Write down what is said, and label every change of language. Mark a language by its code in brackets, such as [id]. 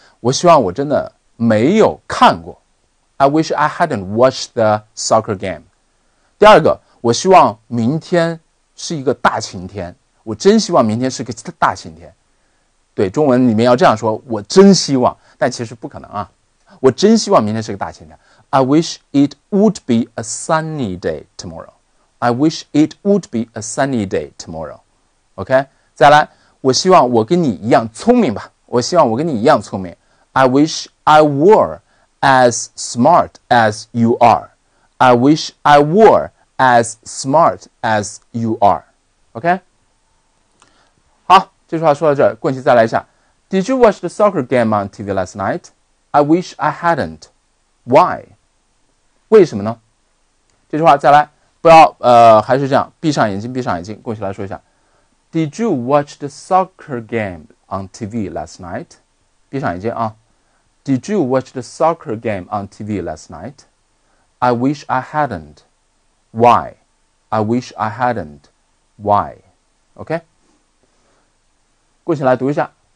[zh] 我希望我真的没有看过 [en] ，I wish I hadn't watched the soccer game。 [zh] 第二个，我希望明天是一个大晴天，我真希望明天是个大晴天。对，中文里面要这样说，我真希望，但其实不可能啊。我真希望明天是个大晴天。 [en] I wish it would be a sunny day tomorrow. I wish it would be a sunny day tomorrow. [zh] OK， 再来，我希望我跟你一样聪明吧。我希望我跟你一样聪明。 [en] I wish I were as smart as you are. I wish I were as smart as you are. [zh] OK， 好，这句话说到这儿，冠希再来一下。 [en] Did you watch the soccer game on TV last night? I wish I hadn't. Why? [zh] 为什么呢？这句话再来，不要还是这样，闭上眼睛，闭上眼睛，过去来说一下。 [en] Did you watch the soccer game on TV last night? [zh] 闭上眼睛啊。 [en] Did you watch the soccer game on TV last night? I wish I hadn't. Why? I wish I hadn't. Why? OK? [zh] 过去来读一下。